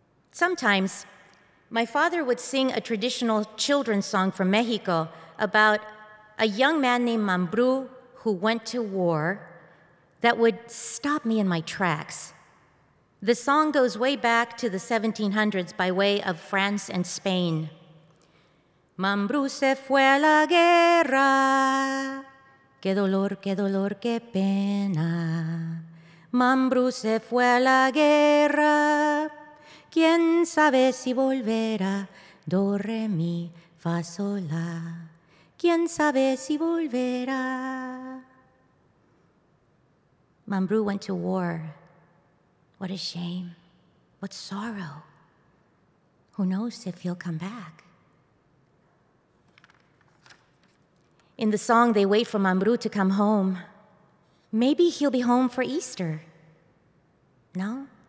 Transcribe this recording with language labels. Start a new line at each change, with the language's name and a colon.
English: Sometimes, my father would sing a traditional children's song from Mexico about a young man named Mambrú who went to war that would stop me in my tracks. The song goes way back to the 1700s by way of France and Spain.
Spanish: Mambrú se fue a la guerra. Qué dolor, qué pena. Mambrú se fue a la guerra, quién sabe si volverá, do, re, mi, fa, sol, la, quién sabe si volverá.
English: Mambrú went to war. What a shame, what sorrow. Who knows if he'll come back? In the song, they wait for Mambrú to come home. Maybe he'll be home for Easter. No?